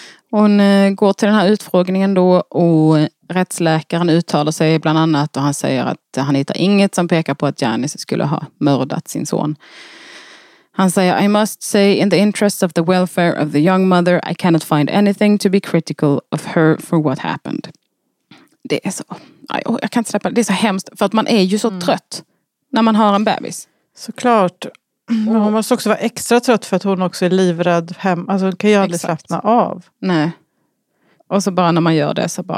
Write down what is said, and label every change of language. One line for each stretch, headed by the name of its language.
Swedish: Hon går till den här utfrågningen då och... Rättsläkaren uttalar sig bland annat och han säger att han hittar inget som pekar på att Janice skulle ha mördat sin son. Han säger,
English: I must say, in the interest of the welfare of the young mother, I cannot find anything to be critical of her for what happened.
Swedish: Det är så. Jag kan inte släppa det. Det är så hemskt. För att man är ju så trött när man har en bebis. Såklart. Men hon måste också vara extra trött för att hon också är livrädd hem. Alltså hon kan ju aldrig slappna av. Nej. Och så bara när man gör det så bara...